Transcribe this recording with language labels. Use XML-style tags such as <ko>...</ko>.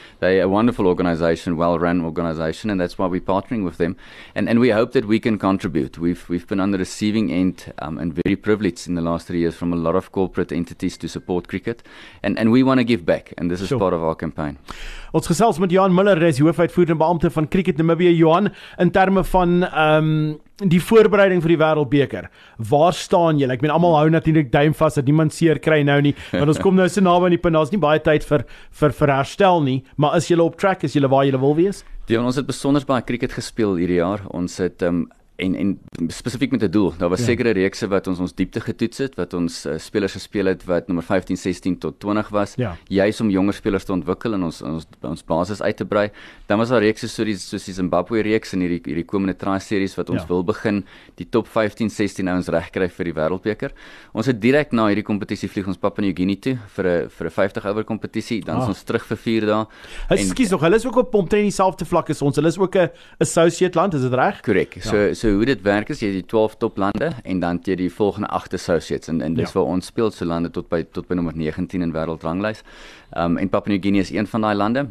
<en>They're a wonderful organization, well-run organization, and that's why we're partnering with them. And we hope that we can contribute. We've been on the receiving end and very privileged in the last 3 years from a lot of corporate entities to support cricket, and we want to give back, and this is part of our campaign.</en> <af>Ons gesels met Johan Miller, hy is hoofuitvoerende beampte van Cricket Namibia. Johan, in terme van die voorbereiding vir die Wêreldbeker, waar staan jy? Ek meen, almal hou natuurlik duim vas dat niemand seer kry nou nie, want ons kom nou so naby aan die punt, daar is nie baie tyd vir herstel nie, maar is julle op track, is julle waar julle wil wees? Dion, ons het besonder baie cricket gespeel hierdie jaar. Ons het en spesifiek met 'n doel. Daar was sekere reekse wat ons diepte getoets het, wat ons spelers gespeel het wat nommer 15, 16 tot 20 was, juis om jonger spelers te ontwikkel en ons basis uit te brei. Dan was daar reekse soos die Zimbabwe reeks en hierdie komende tri-series wat ons wil begin die top 15, 16 ouens regkry vir die Wêreldbeker. Ons het direct na hierdie kompetisie vlieg ons Papua New Guinea toe vir 'n 50 over kompetisie, dan is ons terug vir 4 dae. Excuse nog, hulle is ook op omtrent dieselfde vlak as ons. Hulle is ook 'n associate land, is dit reg? Korrek. So hoe dit werk is, jy het die 12 top lande en dan jy die volgende 8 associates en dis waar ons speel, so lande tot by nommer 19 in wêreldranglys. En Papua New Guinea is een van die lande.</af>